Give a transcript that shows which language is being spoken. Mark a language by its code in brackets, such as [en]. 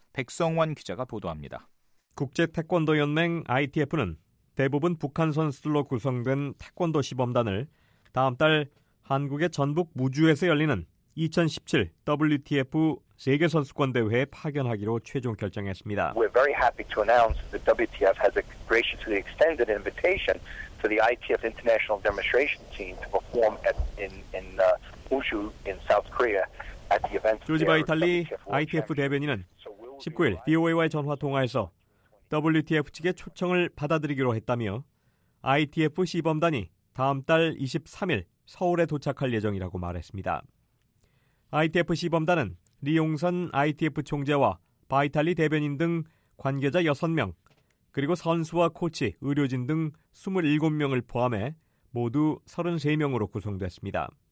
[ko] 백성원 기자가 보도합니다. 국제태권도연맹 ITF는 대부분 북한 선수들로 구성된 태권도 시범단을 다음 달 한국의 전북 무주에서 열리는 2017 WTF 세계선수권대회에 파견하기로 최종 결정했습니다. [en] We're very happy to announce that WTF has graciously extended an invitation to the ITF International Demonstration Team to perform at in Ushu in South Korea at the event. [ko] 조지 바이탈리 ITF 대변인은 19일 VOA와의 전화 통화에서 WTF 측의 초청을 받아들이기로 했다며 ITF 시범단이 다음 달 23일 서울에 도착할 예정이라고 말했습니다. ITF 시범단은 리용선 ITF 총재와 바이탈리 대변인 등 관계자 6명, 그리고 선수와 코치, 의료진 등 27명을 포함해 모두 33명으로 구성됐습니다.